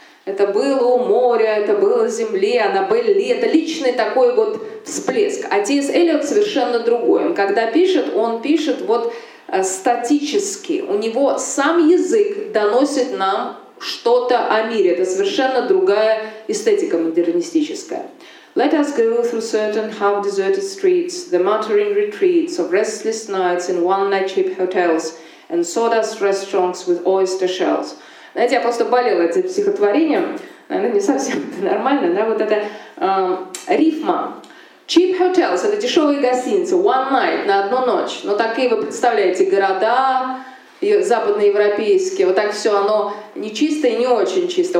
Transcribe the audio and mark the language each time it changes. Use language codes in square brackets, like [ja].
[ru] это было у моря, это было у земли, Аннабель Ли, это личный такой вот всплеск. А Т.С. Элиот совершенно другой. Он когда пишет, он пишет вот статически. У него сам язык доносит нам что-то о мире. Это совершенно другая эстетика модернистическая. [en] Let us go through certain half-deserted streets, the muttering retreats of restless nights in one-night cheap hotels and sawdust restaurants with oyster shells. [ru] Знаете, я просто болела этим психотворением. Наверное, не совсем это нормально, да? Вот это рифма. [en] Cheap hotels [ru] — это дешевые гостиницы, [en] one night [ru] — на одну ночь. Но такие, вы представляете, города западноевропейские, вот так все оно не чисто и не очень чисто.